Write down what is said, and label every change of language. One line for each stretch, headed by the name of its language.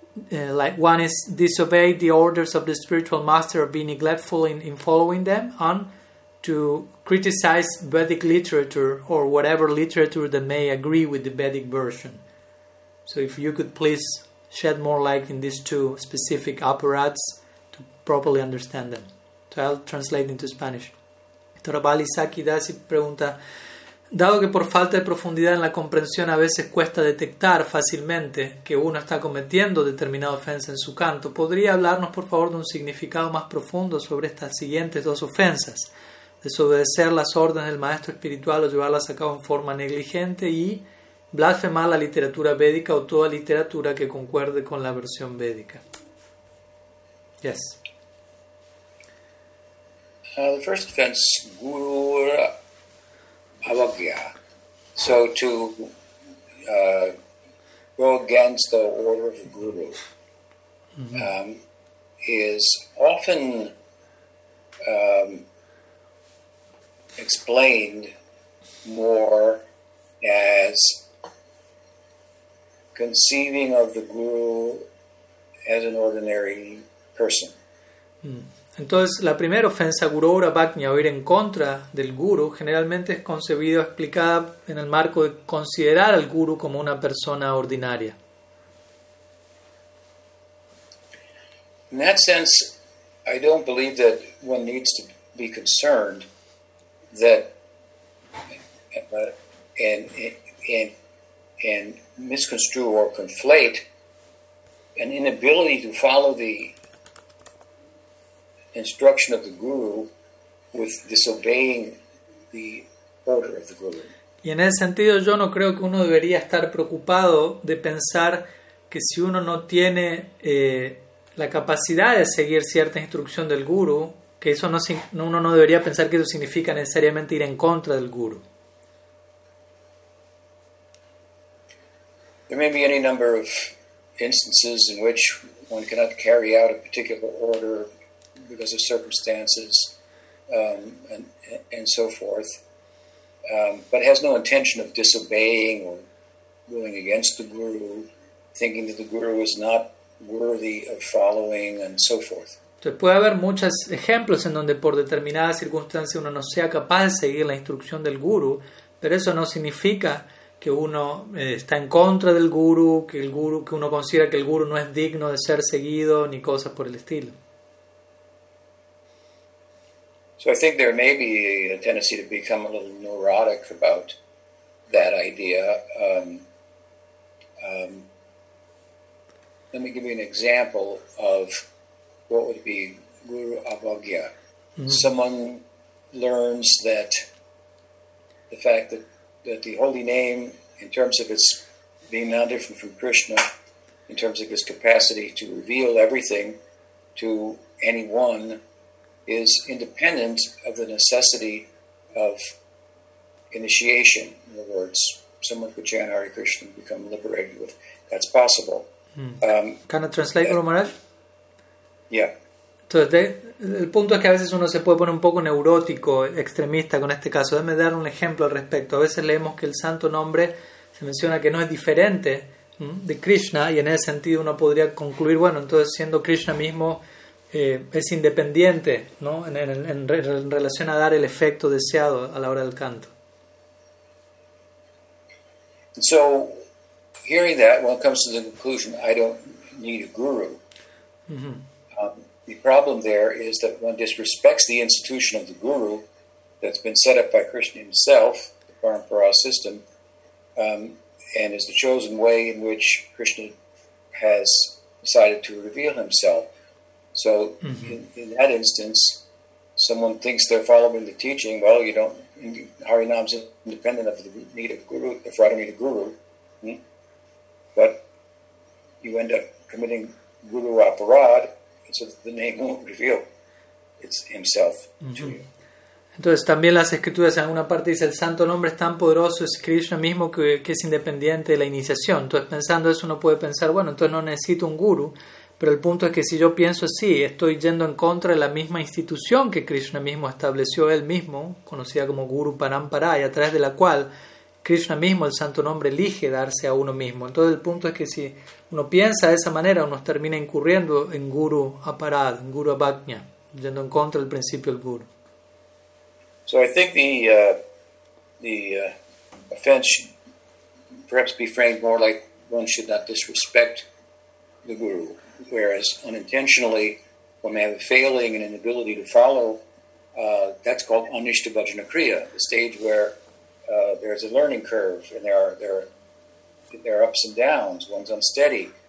English: Like one is disobey the orders of the spiritual master, be neglectful in following them, and to criticize Vedic literature or whatever literature that may agree with the Vedic version. So if you could please shed more light in these two specific apparatus to properly understand them. So I'll translate into Spanish.
Spanish: Taravali Saki Dasi pregunta, dado que por falta de profundidad en la comprensión a veces cuesta detectar fácilmente que uno está cometiendo determinada ofensa en su canto, ¿podría hablarnos por favor de un significado más profundo sobre estas siguientes dos ofensas? Desobedecer las órdenes del maestro espiritual o llevarlas a cabo en forma negligente y blasfemar la literatura védica o toda literatura que concuerde con la versión védica.
English: Yes. The first offense, guru avagya. So to go against the order of the guru is often explained more as conceiving of the guru as an ordinary person.
Spanish: Entonces, la primera ofensa, guru ora bhaknya, o ir en contra del guru, generalmente es concebida o explicada en el marco de considerar al guru como una persona ordinaria.
English: In that sense, I don't believe that one needs to be concerned that and misconstrue or conflate an inability to follow the instruction of the guru with disobeying the order of the guru.
Spanish: Y en ese sentido yo no creo que uno debería estar preocupado de pensar que si uno no tiene la capacidad de seguir cierta instrucción del guru, que eso no, uno no debería pensar que eso significa necesariamente ir en contra del guru.
English: There may be any number of instances in which one cannot carry out a particular order because of circumstances and so forth, but has no intention of disobeying or going against the guru, thinking that the guru is not worthy of following and so forth.
Spanish: Entonces puede haber muchos ejemplos en donde por determinadas circunstancias uno no sea capaz de seguir la instrucción del guru, pero eso no significa que uno está en contra del guru, que uno considera que el guru no es digno de ser seguido ni cosas por el estilo.
English: So I think there may be a tendency to become a little neurotic about that idea. Let me give you an example of what would be guru avagya. Mm-hmm. Someone learns that the fact that the holy name, in terms of its being non-different from Krishna, in terms of its capacity to reveal everything to anyone, is independent of the necessity of initiation. In other words, someone could chant Hare Krishna and become liberated with. That's possible. Can I translate, Guru Maharaj? Yeah.
Spanish: Entonces, el punto es que a veces uno se puede poner un poco neurótico, extremista con este caso. Déjame dar un ejemplo al respecto. A veces leemos que el santo nombre se menciona que no es diferente de Krishna, y en ese sentido uno podría concluir, bueno, entonces siendo Krishna mismo es independiente, ¿no? En relación a dar el efecto deseado a la hora del canto.
English: So, hearing that, one comes to the conclusion, I don't need a guru. The problem there is that one disrespects the institution of the guru that's been set up by Krishna himself, the Parampara system, and is the chosen way in which Krishna has decided to reveal himself. So in that instance, someone thinks they're following the teaching. Well, you don't, Harinam's independent of the need of guru, if I don't need a guru. But you end up committing guru aparad, so the name won't reveal its himself to you.
Spanish: Entonces también las escrituras en alguna parte dice el santo nombre es tan poderoso, es Krishna mismo que es independiente de la iniciación. Entonces pensando eso uno puede pensar, bueno, entonces no necesito un guru, pero el punto es que si yo pienso así, estoy yendo en contra de la misma institución que Krishna mismo estableció él mismo, conocida como Guru Parampara, y a través de la cual Krishna mismo, el santo nombre, elige darse a uno mismo. Entonces el punto es que si uno piensa de esa manera, uno termina incurriendo en Guru Aparad, en Guru Abhagna, yendo en contra del principio del guru.
English: So I think the offense should perhaps be framed more like one should not disrespect the guru, whereas unintentionally one may have a failing and an inability to follow. That's called anishta bhajana kriya, the stage where there's a learning curve and there are ups and downs. One's unsteady.